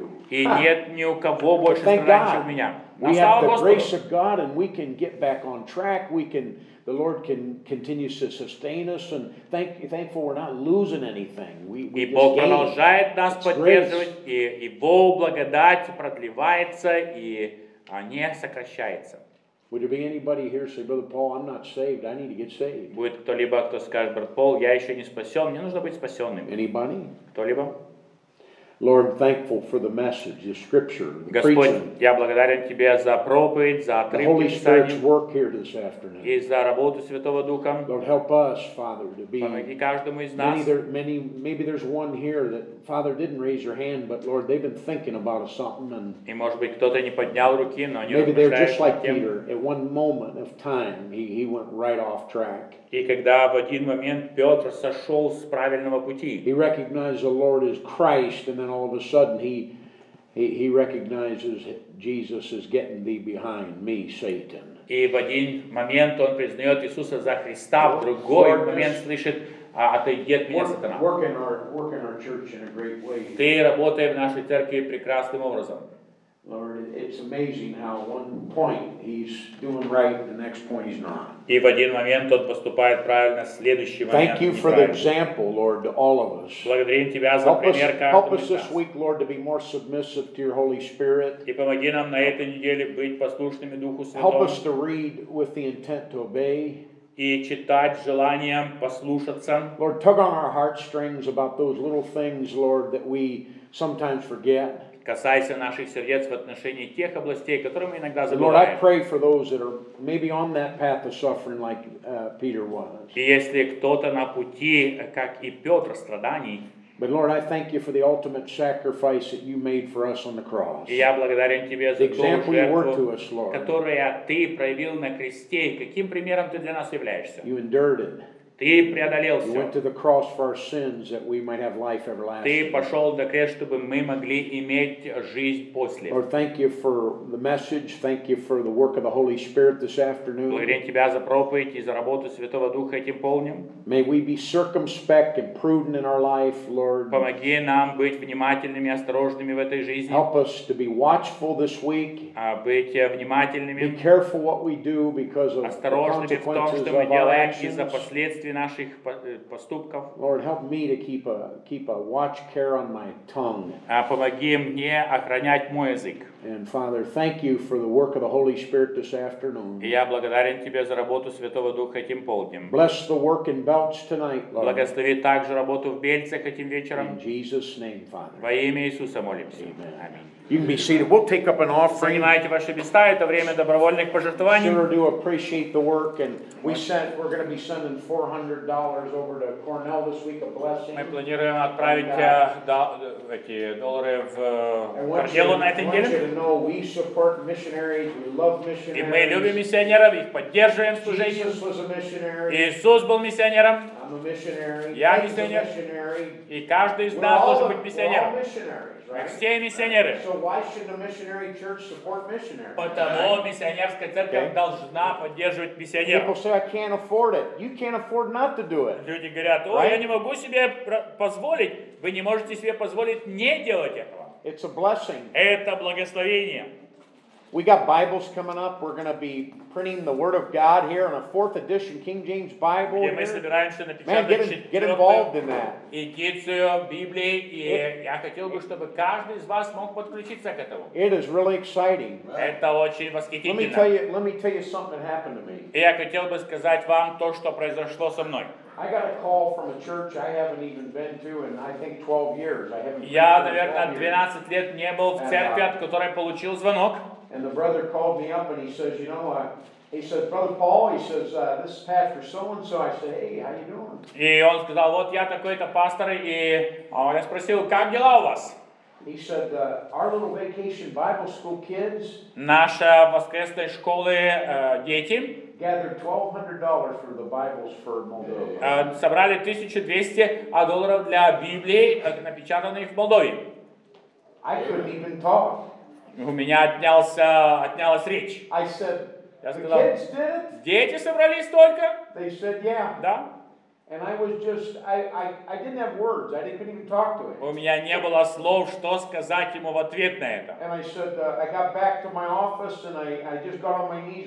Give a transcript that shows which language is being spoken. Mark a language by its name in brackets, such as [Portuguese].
[Russian] И нет ни у кого больше страданий, чем у меня. Но слава Господу. [English] The Lord can continue to sustain us, and thankful we're not losing anything. [Russian] И Бог продолжает нас поддерживать, и Его благодать продлевается, и не сокращается. [English] Would there be anybody here say, Brother Paul, I'm not saved, I need to get saved? [Russian] Будет кто-либо, кто скажет, брат Пол, я еще не спасен, мне нужно быть спасенным. [English] Anybody? [Russian] Кто-либо? [English] Lord, thankful for the message, the scripture, the preaching. [Russian] Господь, я благодарен тебе за проповедь, за отрывки Писания. [English] The Holy Spirit's work here this afternoon. [Russian] И за работу Святого Духа. [English] Lord, help us, Father, to be. [Russian] Помоги каждому из нас. [English] Many, maybe there's one here that Father didn't raise your hand, but Lord, they've been thinking about something and. [Russian] И может быть кто-то не поднял руки, но они. [English] Maybe they're just like Peter. At one moment of time, he went right off track. [Russian] И когда в один момент Петр сошел с правильного пути. [English] He recognized the Lord as Christ, and then all of a sudden he recognizes Jesus is getting thee behind me, Satan. [Russian] И в один момент он признает Иисуса за Христа, в другой момент слышит, отойди от меня, сатана. [English] Work in our church in a great way. [Russian] Ты работай в нашей церкви прекрасным образом. [English] Lord, it's amazing how one point he's doing right, the next point he's not. [Russian] И в один момент он поступает правильно, следующий момент. [English] Thank you for the example, Lord, to all of us. [Russian] Благодарим тебя за пример каждому. [English] Help us this week, Lord, to be more submissive to your Holy Spirit. [Russian] И помоги нам на этой неделе быть послушными Духу Святому. [English] Help us to read with the intent to obey. [Russian] И читать желанием послушаться. [English] Lord, tug on our heartstrings about those little things, Lord, that we sometimes forget. [Russian] Касайся наших сердец в отношении тех областей, которые мы иногда забываем. [English] Lord, I pray for those that are maybe on that path of suffering like Peter was. [Russian] И если кто-то на пути, как и Петр, страданий. [English] But Lord, I thank you for the ultimate sacrifice that you made for us on the cross. [Russian] И я благодарен тебя за [English] the example you were to us, Lord. [Russian] Которую ты проявил на кресте. Каким примером ты для нас являешься? [English] You endured it. [Russian] Ты преодолел все. [English] You went to the cross for our sins that we might have life everlasting. [Russian] Ты пошел на крест, чтобы мы могли иметь жизнь после. [English] Lord, thank you for the message. Thank you for the work of the Holy Spirit this afternoon. [Russian] Благодарим тебя за проповедь и за работу Святого Духа этим полнем. [English] May we be circumspect and prudent in our life, Lord. [Russian] Помоги нам быть внимательными и осторожными в этой жизни. [English] Help us to be watchful this week. [Russian] Быть внимательными. [English] Be careful what we do because of [Russian] осторожными [English] the consequences [Russian] в том, что [English] of [Russian] мы делаем [English] our actions. [Russian] Из-за последствий наших поступков. [English] Lord, help me to keep a watch care on my tongue. [Russian] Помоги мне охранять мой язык. [English] And Father, thank you for the work of the Holy Spirit this afternoon. [Russian] Я благодарен тебе за работу Святого Духа этим полднем. [English] Bless the work in Belch tonight, Lord. [Russian] Благослови также работу в Бельцах этим вечером. [English] In Jesus' name, Father. [Russian] Во имя Иисуса молимся. [English] Amen. You can be seated. We'll take up an offering. [Russian] Занимайте ваши места. Это время добровольных пожертвований. [English] Sure do appreciate the work, and we're going to be sending $400 over to Cornell this week. A blessing. [Russian] Мы планируем отправить эти доллары в Корнеллу на этой неделе. [English] Know we support missionaries. We love missionaries. [Russian] И мы любим миссионеров, их поддерживаем в служении. [English] Jesus was a missionary. [Russian] Иисус был миссионером. [English] I'm a missionary. [Russian] Я миссионер. [English] Missionary. [Russian] И каждый из нас должен быть миссионером. [English] Right? [Russian] Все миссионеры. [English] So why should the missionary church support missionaries? [Russian] Потому миссионерская церковь okay. должна поддерживать миссионеров. [English] People say I can't afford it. You can't afford not to do it. [Russian] Люди говорят, о, я не могу себе позволить. Вы не можете себе позволить не делать этого. [English] It's a blessing. [Russian] Это благословение. [English] We got Bibles coming up. We're going to be printing the Word of God here on a fourth edition King James Bible. [Russian] Мы собираемся напечатать. [English] Man, get involved in that. [Russian] Эдицию Библии, и я хотел бы, чтобы каждый из вас мог подключиться к этому. [English] It is really exciting. [Russian] Это очень восхитительно. [English] Let me tell you something that happened to me. [Russian] Я хотел бы сказать вам то, что произошло со мной. [English] I got a call from a church I haven't even been to in I think 12 years. I haven't. [Russian] Я, наверное, 12 лет не был в церкви, от которой получил звонок. [English] And the brother called me up and he says, you know, he said, Brother Paul, he says, this is Pastor so and so. I said, hey, how you doing? [Russian] И он сказал, вот я такой-то пастор, и я спросил, как дела у вас? [English] He said, our little vacation Bible school kids. [Russian] Наша воскресная школа дети. [English] Gathered $1,200 for the Bibles for Moldova. [Russian] Собрали 1200 долларов для Библии, напечатанных в Молдове. [English] I couldn't even talk. [Russian] У меня отнялась речь. [English] I said, [Russian] я сказал, [English] the kids did it? [Russian] Дети собрали столько? [English] They said, yeah. [Russian] Да? [English] And I was just, I didn't have words. I didn't even talk to him. [Russian] У меня не было слов, что сказать ему в ответ на это. [English] And I said, I got back to my office and I just got on my knees.